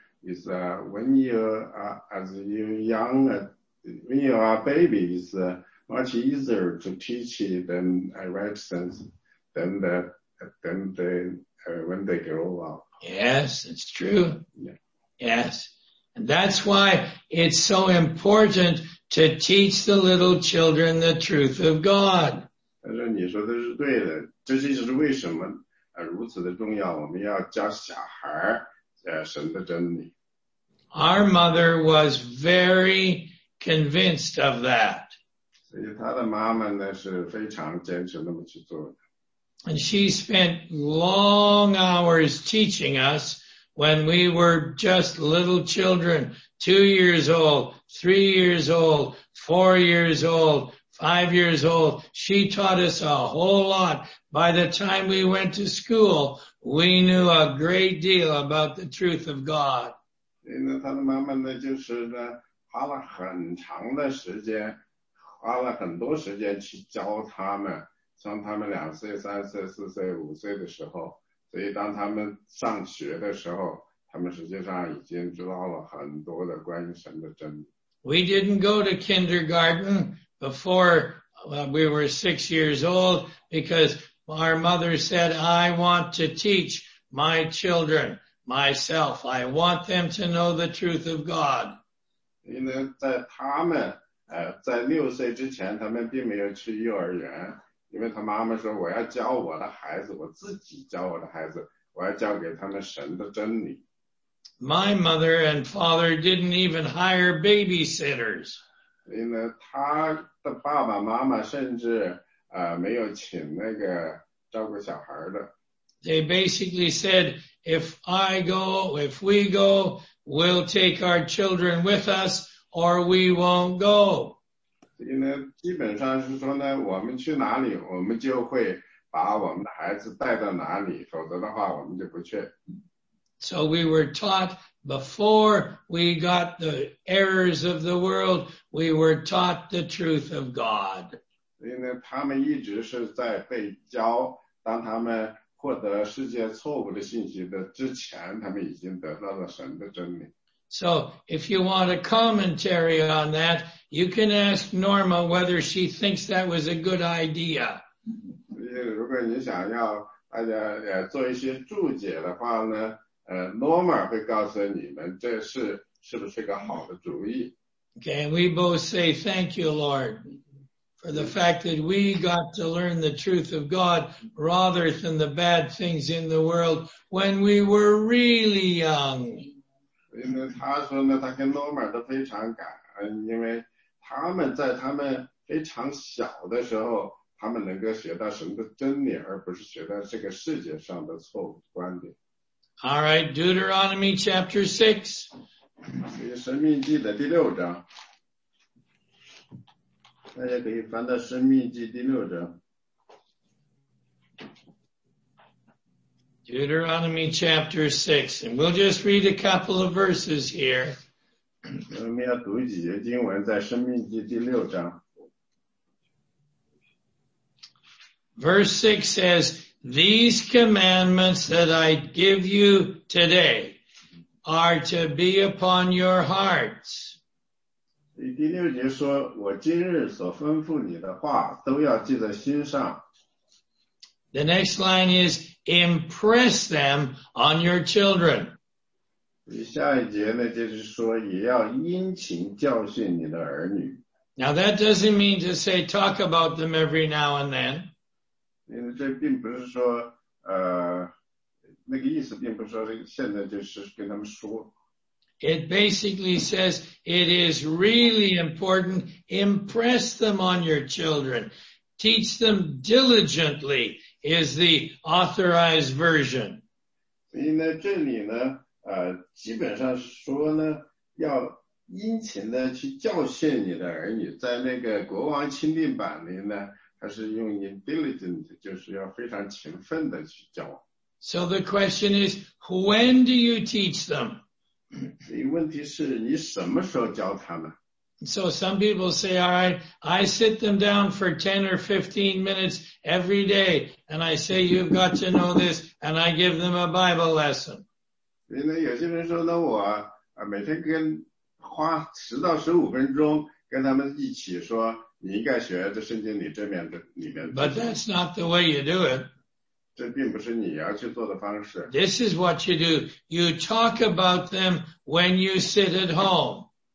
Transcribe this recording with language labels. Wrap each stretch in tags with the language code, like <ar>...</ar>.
<en>Is when you as you young, when you are baby, it's much easier to teach than right sense than when they grow up. Yes, it's true. Yeah. Yes. And that's why it's so important to teach the little children the truth of God.</en> <zh>但是你说的是对的，这就是为什么如此的重要，我们要教小孩神的真理。</zh> <en>Our mother was very convinced of that.</en> <zh>所以她的妈妈呢是非常坚持那么去做的。</zh> <en>And she spent long hours teaching us when we were just little children, 2 years old, 3 years old, 4 years old, 5 years old. She taught us a whole lot. By the time we went to school, we knew a great deal about the truth of God.</en> <zh>因为他的妈妈呢就是呢花了很长的时间花了很多时间去教他们像他们两岁三岁四岁五岁的时候所以当他们上学的时候他们实际上已经知道了很多的关于神的真理。</zh> <en>We didn't go to kindergarten before we were 6 years old because our mother said, I want to teach my children. Myself, I want them to know the truth of God.</en> <zh>因为在他们在六岁之前，他们并没有去幼儿园，因为他妈妈说我要教我的孩子，我自己教我的孩子，我要教给他们神的真理。</zh> <en>My mother and father didn't even hire babysitters.</en> <zh>因为他的爸爸妈妈甚至没有请那个照顾小孩的。</zh> <en>They basically said, if we go, we'll take our children with us, or we won't go.</en> <zh>基本上是说呢，我们去哪里，我们就会把我们的孩子带到哪里，否则的话，我们就不去。</zh> <en>So we were taught before we got the errors of the world, we were taught the truth of God.</en> <zh>他们一直是在被教，当他们获得世界错误的信息的之前，他们已经得到了神的真理。</zh> <en>So, if you want a commentary on that, you can ask Norma whether she thinks that was a good idea.</en> <zh>如果你想要大家做一些注解的话呢，Norma 会告诉你们这是不是个好的主意。</zh> <en>Okay, we both say thank you, Lord. For the fact that we got to learn the truth of God rather than the bad things in the world when we were really young.</en> <zh>因为他说呢，他跟诺玛都非常感恩，因为他们在他们非常小的时候，他们能够学到神的真理，而不是学到这个世界上的错误观点。</zh> <en>All right, Deuteronomy chapter 6.</en> <zh>申命记的第六章。大家可以翻到《申命记》第六章。</zh> <en>Deuteronomy chapter 6, and we'll just read a couple of verses here.</en> <zh>我们要读几节经文，在《申命记》第六章。</zh> <en>Verse 6 says, These commandments that I give you today are to be upon your hearts.</en> <zh>第六节说，我今日所吩咐你的话，都要记在心上。</zh> <en>The next line is impress them on your children.</en> <zh>下一节呢，就是说也要殷勤教训你的儿女。</zh> <en>Now that doesn't mean to say talk about them every now and then.</en> <zh>因为这并不是说那个意思并不是说现在就是跟他们说。</zh> <en>It basically says it is really important. Impress them on your children. Teach them diligently is the authorized version.</en> <zh>所以呢，这里呢，基本上是说呢，要殷勤的去教训你的儿女。在那个国王钦定版里呢，它是用 diligent， 就是要非常勤奋的去教。</zh> <en>So the question is, when do you teach them?</en> <zh>所以问题是你什么时候教他们？</zh> <en>So some people say, all right, I sit them down for 10 or 15 minutes every day, and I say, you've got to know this, and I give them a Bible lesson.</en> <zh>有些人说呢，我每天跟花10到15分钟跟他们一起说，你应该学这圣经里这面的里面。</zh> <en>But that's not the way you do it.</en> <zh>这并不是你要去做的方式。</zh> <en>This is what you do. You talk about them when you sit at home.</en>